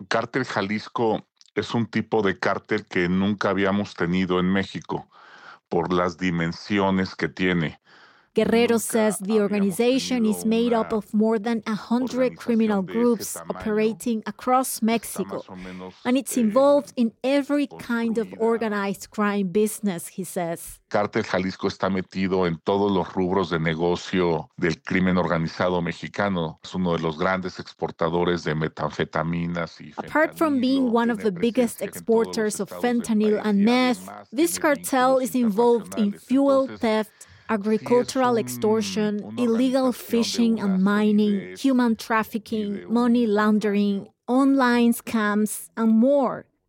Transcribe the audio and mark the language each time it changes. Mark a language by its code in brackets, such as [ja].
[es] Cartel Jalisco es un tipo de cartel que nunca habíamos tenido en México por las dimensiones que tiene. [en] Guerrero says the organization is made up of more than 100 criminal groups operating across Mexico, and it's involved in every kind of organized crime business, he says. [es] Cartel Jalisco está metido en todos los rubros de negocio del crimen organizado mexicano. Es uno de los grandes exportadores de metanfetaminas. [en] Apart from being one of the biggest exporters of fentanyl and meth, this cartel is involved in fuel theft, agricultural extortion, illegal fishing and mining, human trafficking, money laundering, online scams, and more.